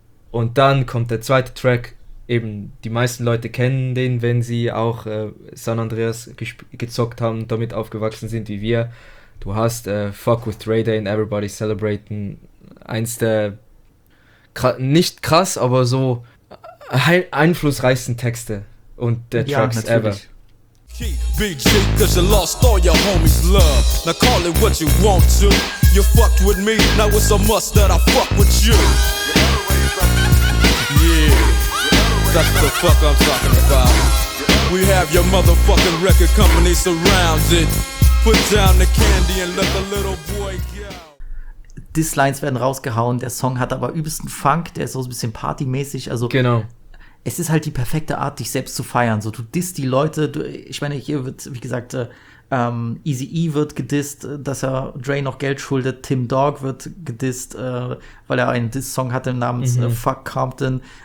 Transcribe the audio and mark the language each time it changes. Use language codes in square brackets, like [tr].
[de] Und dann kommt der zweite Track. Eben, die meisten Leute kennen den, wenn sie auch San Andreas gezockt haben, damit aufgewachsen sind wie wir. Du hast Fuck with Dre Day and Everybody Celebrating. Eins der, nicht krass, aber so einflussreichsten Texte und der Tracks ever. [en] BG, cause you lost all your homies' love. Now call it what you want to. You fucked with me, now it's a must that I fuck with you. Yeah. That's what the fuck I'm talking about. We have your motherfucking record company surrounded. Put down the candy and let the little boy go. [de] Disslines werden rausgehauen, der Song hat aber übelsten Funk, der ist so ein bisschen partymäßig, also. Genau. Es ist halt die perfekte Art, dich selbst zu feiern. So, du disst die Leute, ich meine, hier wird, wie gesagt, Eazy-E wird gedisst, dass er Dre noch Geld schuldet. Tim Dogg wird gedisst, weil er einen Diss-Song hatte namens Fuck Compton.